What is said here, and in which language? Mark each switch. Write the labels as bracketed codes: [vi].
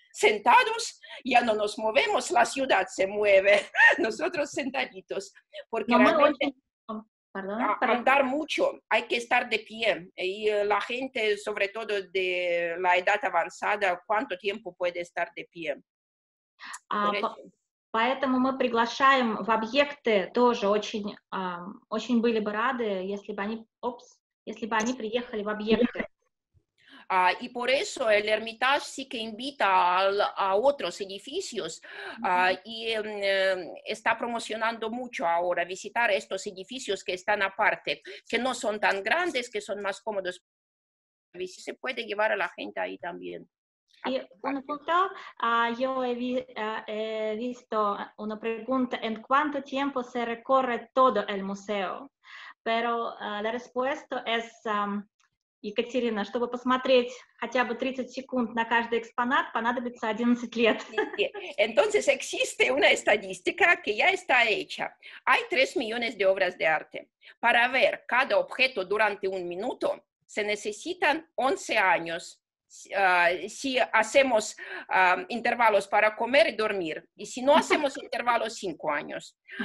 [es] Sentados, ya no nos movemos, la ciudad se mueve. Nosotros sentaditos. Porque andar mucho, hay que estar de pie. Y la gente, sobre todo de la edad avanzada, ¿cuánto tiempo puede estar de pie? [ru] Поэтому мы приглашаем в объекты тоже очень были бы рады, если бы они приехали в объекты. [es] Y por eso el Hermitage sí que invita a otros edificios y está promocionando mucho ahora visitar estos edificios que están aparte, que no son tan grandes, que son más cómodos. Y sí se puede llevar a la gente ahí también. Y un punto, yo he visto una pregunta, ¿en cuánto tiempo se recorre todo el museo? Pero la respuesta es... [ru] Екатерина, чтобы посмотреть хотя бы 30 секунд на каждый экспонат, понадобится 11 лет. [es] Entonces existe una estadística que ya está hecha. Hay 3 millones de obras de arte. Para ver cada objeto durante un minuto, se necesitan 11 años. Si hacemos intervalos para comer y dormir, y si no hacemos intervalos 5 años.